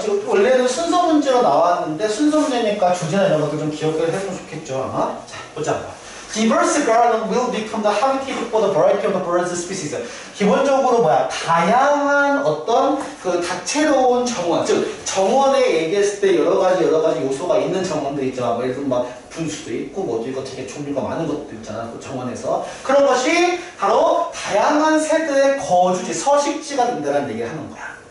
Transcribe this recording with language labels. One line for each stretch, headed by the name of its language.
Korean: 지금 원래는 순서 문제로 나왔는데, 순서 문제니까 주제나 이런 것도 좀 기억을 했으면 좋겠죠, 아마? 자, 보자, 한번.
English: Diverse garden will become the habitat for the variety of the bird species.
Korean: 기본적으로 뭐야? 다양한 어떤 그 다채로운 정원, 즉 정원에 얘기했을 때 여러 가지 요소가 있는 정원들이 있잖아. 예를 들면 막 분수도 있고 뭐지, 이거 되게 종류가 많은 것도 있잖아. 그 정원에서 그런 것이 바로 다양한 새들의 거주지, 서식지가 된다는 얘기를 하는 거야.